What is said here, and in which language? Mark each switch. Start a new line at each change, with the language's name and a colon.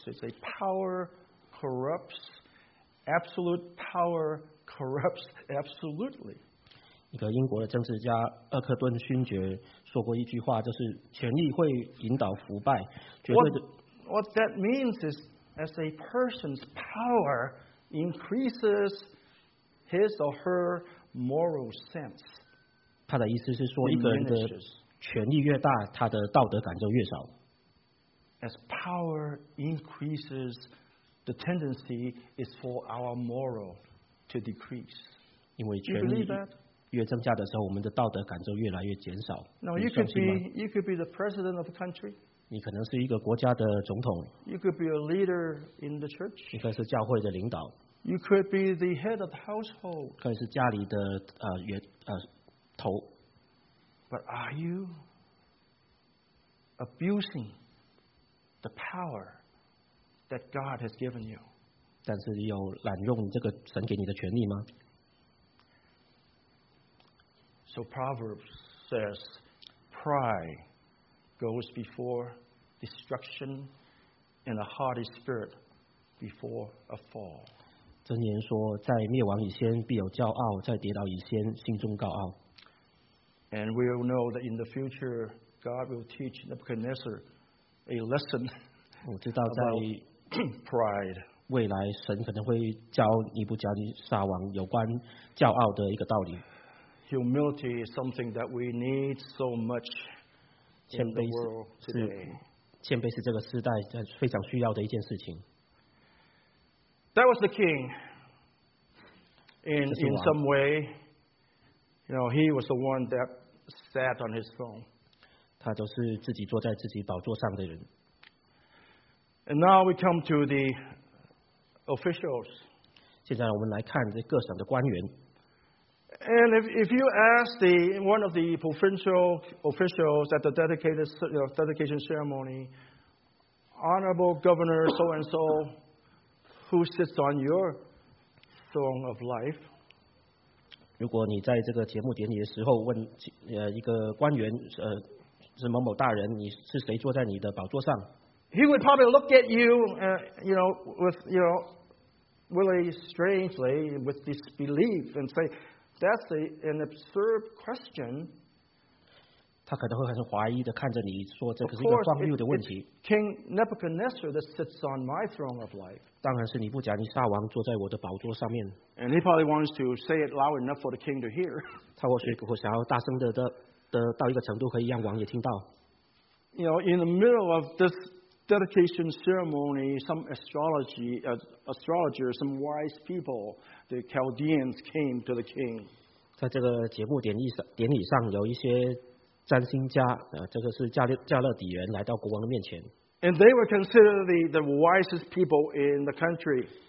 English: It's a power corrupts, absolute power corrupts absolutely.
Chinese: 一个英国的政治家厄克顿勋爵说过一句话，就是权力会引导腐败，绝对的。
English: What that means is, as a person's power increases. His or her moral sense.
Chinese: 他的意思是说，一个人的权力越大，他的道德感就越少。
English: As power increases, the tendency is for our moral to decrease.
Chinese: 因为权力越增加的时候，我们的道德感就越来越减少。
English: No, you could be the president of a country.
Chinese: 你可能是一个国家的总统。
English: You could be a leader in the church.
Chinese: 你可以是教会的领导。
English: You could be the head of the household.
Chinese: 可以是家里的头。
English: But are you abusing the power that God has given you?
Chinese: 但是有滥用这个神给你的权利吗？
English: So Proverbs says, pride goes before destruction, and a haughty spirit before a fall.
Chinese: 箴言说，在灭亡以先必有骄傲，在跌倒以先心中高傲。
English: And we will know that in the future, God will teach Nebuchadnezzar a lesson.
Chinese: 我知道在
English: pride
Chinese: 未来神可能会教尼布甲尼撒王有关骄傲的一个道理。
English: Humility is something that we need so much in the world today.
Chinese: 谦卑是这个时代非常需要的一件事情。
English: That was the king. In some way, you know, he was the one that sat on his throne.
Chinese: 他就是自己坐在自己宝座上的人。
English: And now we come to the officials.
Chinese: 现在我们来看这各省的官员。
English: And if you ask one of the provincial officials at the dedication ceremony, Honorable Governor so-and-so, who sits on your throne of life?
Chinese: 如果你在这个节目典礼的时候问一个官员是某某大人，你是谁坐在你的宝座上？
English: He would probably look at you, really strangely with disbelief and say, that's an absurd question.
Chinese: 他可能会很怀疑的看着你说这个是一个荒谬的问题。
English: Of course, it's King Nebuchadnezzar that sits on my throne of life.
Chinese: 当然是尼布甲尼撒王坐在我的宝座上面。
English: And he probably wants to say it loud enough for the king to hear.
Chinese: 他或许会想要大声的到一个程度可以让王也听到。
English: You know, in the middle of this dedication ceremony, some wise people, the Chaldeans came to the king.
Chinese: 在这个节目典礼上有一些占星家这个是加勒底人来到国王的面前。
English: And they were considered the wisest people in the country.